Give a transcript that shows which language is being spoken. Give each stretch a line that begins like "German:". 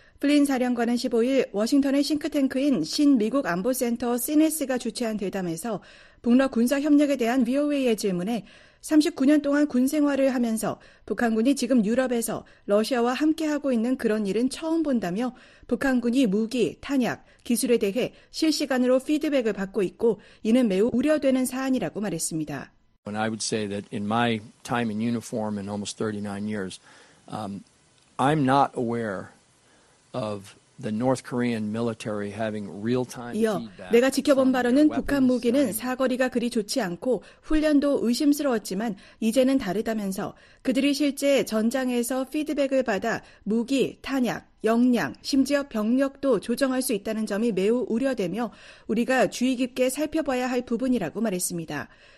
Korean: 플린 사령관은 15일 워싱턴의 싱크탱크인 신미국 안보센터 CNS가 주최한 대담에서 북러 군사협력에 대한 VOA의 질문에 39년 동안 군 생활을 하면서 북한군이 지금 유럽에서 러시아와 함께하고 있는 그런 일은 처음 본다며 북한군이 무기, 탄약, 기술에 대해 실시간으로 피드백을 받고 있고 이는 매우 우려되는 사안이라고 말했습니다.
English: And I would say that in my time in uniform in almost 39 years, I'm not aware of the North Korean military having real-time
Korean: 이어 내가 지켜본 바로는 북한 무기는 사거리가 그리 좋지 않고 훈련도 의심스러웠지만 이제는 다르다면서 그들이 실제 전장에서 피드백을 받아 무기, 탄약, 역량, 심지어 병력도 조정할 수 있다는 점이 매우 우려되며 우리가 주의 깊게 살펴봐야 할 부분이라고 말했습니다.